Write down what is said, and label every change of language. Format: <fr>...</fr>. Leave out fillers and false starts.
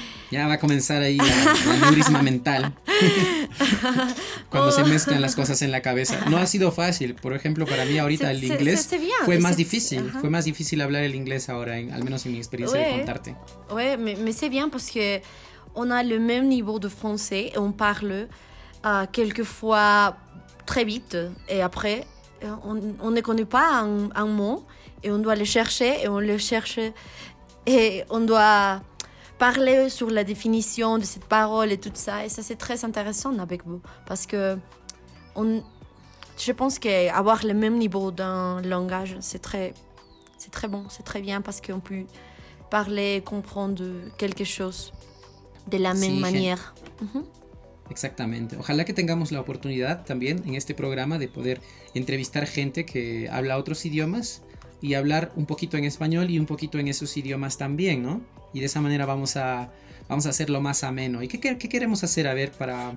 <es>Ya va a comenzar ahí el neurisma mental. Cuando se mezclan las cosas en la cabeza. No ha sido fácil. Por ejemplo, para mí ahorita el inglés fue más difícil. Fue más difícil hablar el inglés ahora, al menos en mi experiencia de contarte.</es> <fr>Ouais, mais c'est bien parce que on a le même niveau de français et on parle quelquefois très vite et après on ne connaît pas un mot et on doit le chercher et on le cherche et on doit parler sur la définition de cette parole et tout ça, et ça c'est très intéressant avec vous, parce que je pense qu'avoir le même niveau d'un langage, c'est très bon, c'est très bien, parce qu'on peut parler et comprendre quelque chose de la même manière.</fr> <es>Mm-hmm. Exactamente. Ojalá que tengamos la oportunidad también en este programa de poder entrevistar gente que habla otros idiomas y hablar un poquito en español y un poquito en esos idiomas también, ¿no? Y de esa manera vamos a hacerlo más ameno. ¿Y qué queremos hacer, a ver, para,</es>